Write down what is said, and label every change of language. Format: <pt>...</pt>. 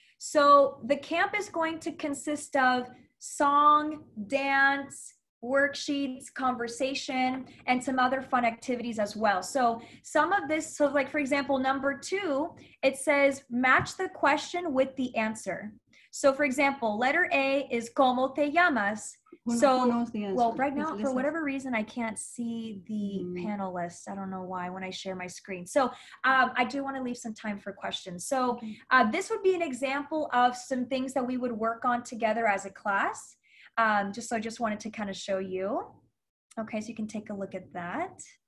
<en>So the camp is going to consist of song, dance, worksheets, conversation, and some other fun activities as well. So some of this, so like for example, number two, it says match the question with the answer. So for example, letter A is</en> <es>¿cómo te llamas?</es> <en>So, well, right now, for whatever reason, I can't see the panelists. I don't know why when I share my screen. So I do want to leave some time for questions. So this would be an example of some things that we would work on together as a class. So I just wanted to kind of show you. Okay, so you can take a look at that.</en>